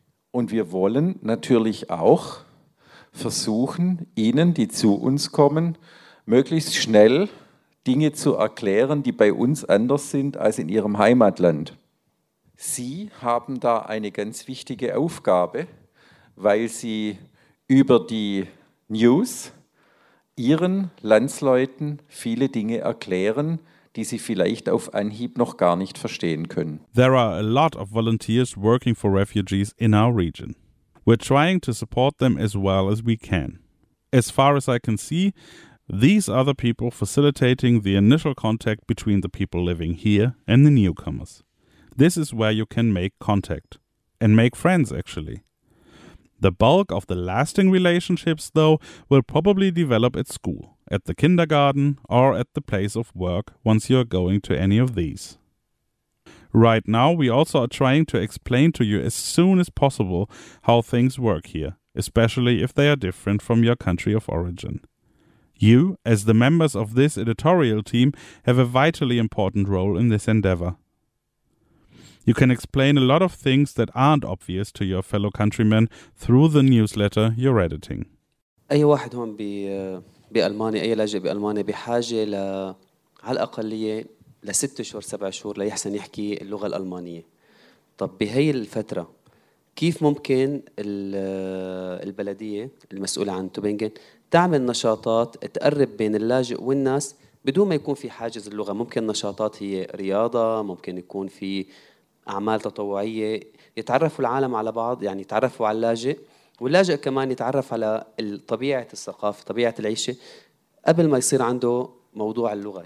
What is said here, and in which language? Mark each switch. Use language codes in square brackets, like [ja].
[de] Und wir wollen natürlich auch versuchen, ihnen, die zu uns kommen, möglichst schnell Dinge zu erklären, die bei uns anders sind als in ihrem Heimatland. Sie haben da eine ganz wichtige Aufgabe, weil Sie über die News Ihren Landsleuten viele Dinge erklären, die Sie vielleicht auf Anhieb noch gar nicht verstehen können. [en] There are a lot of volunteers working for refugees in our region. We're trying to support them as well as we can. As far as I can see, these are the people facilitating the initial contact between the people living here and the newcomers. This is where you can make contact and make friends, actually. The bulk of the lasting relationships, though, will probably develop at school, at the kindergarten, or at the place of work once you are going to any of these. Right now, we also are trying to explain to you as soon as possible how things work here, especially if they are different from your country of origin. You, as the members of this editorial team, have a vitally important role in this endeavor. You can explain a lot of things that aren't obvious to your fellow countrymen through the newsletter you're editing. [ar] أي واحد هون بألمانيا أي لاجئ بألمانيا بحاجة على الأقلية لست شهور سبع شهور ليحسن يحكي اللغة الألمانية. طب بهاي الفترة كيف ممكن البلدية المسؤولة عن توبينغن تعمل نشاطات تقرب بين اللاجئ والناس بدون ما يكون في حاجز اللغة؟ ممكن نشاطات هي رياضة، ممكن يكون في أعمال تطوعية، يتعرف العالم على بعض، يعني يتعرفوا على اللاجئ واللاجئ كمان يتعرف على طبيعة الثقافة، طبيعة العيشة قبل ما يصير عنده موضوع اللغة.